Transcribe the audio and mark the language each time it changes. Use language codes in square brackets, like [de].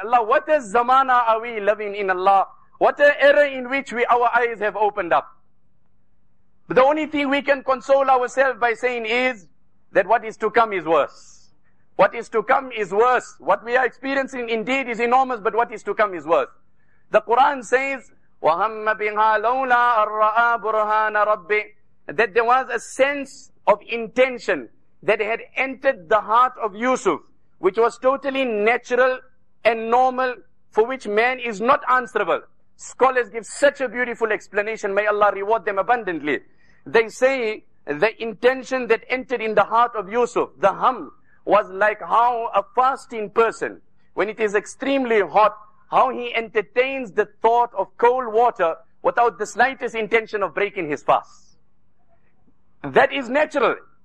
[en] Allah, what a zamana are we living in, Allah? What an era in which we our eyes have opened up. But the only thing we can console ourselves by saying is that what is to come is worse. What is to come is worse. What we are experiencing indeed is enormous, but what is to come is worse. The Quran says, [ar] وَهَمَّ بِهَا لَوْلَا أَرَّآ بُرْهَانَ رَبِّ. [en] That there was a sense of intention that had entered the heart of Yusuf, which was totally natural and normal, for which man is not answerable. Scholars give such a beautiful explanation. May Allah reward them abundantly. They say the intention that entered in the heart of Yusuf, the hum, was like how a fasting person, when it is extremely hot, how he entertains the thought of cold water without the slightest intention of breaking his fast. That is natural.